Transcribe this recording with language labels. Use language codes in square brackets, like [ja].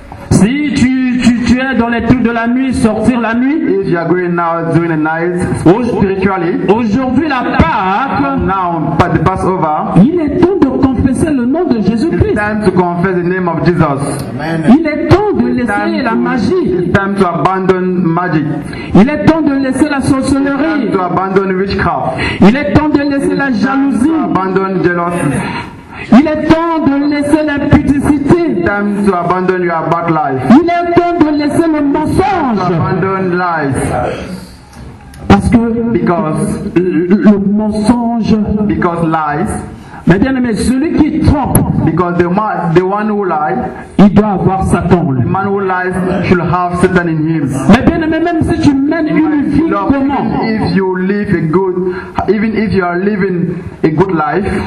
[fr] si tu es dans les trucs de la nuit, sortir la nuit. [en] If you are going out during the night, spiritually. [fr] Aujourd'hui la Pâque. [en] Now, but the Passover. [fr] Il est temps de confesser le nom de Jésus Christ. [en] It's time to confess the name of Jesus. Amen. [fr] Il est temps de laisser la magie. [en] It's time to abandon magic. [fr] Il est temps de laisser la sorcellerie. [en] It's time to abandon witchcraft. [fr] Il est temps de laisser la jalousie. [en] To abandon jealousy. [fr] Il est temps de laisser l'impudicité. [en] Time to abandon your bad life. [fr] Il est temps de laisser le mensonge. [en] To abandon lies. [fr] Parce que [en] because [fr] le mensonge. [en] Because lies. [fr] Mais bien aimé, celui qui trompe. [en] Because the one who lies. [fr] Il doit avoir Satan. [en] The man who lies should have Satan in him. [fr] Mais bien aimé, même si tu mènes une vie comment. [en] If you live a good. Even if you are living a good life,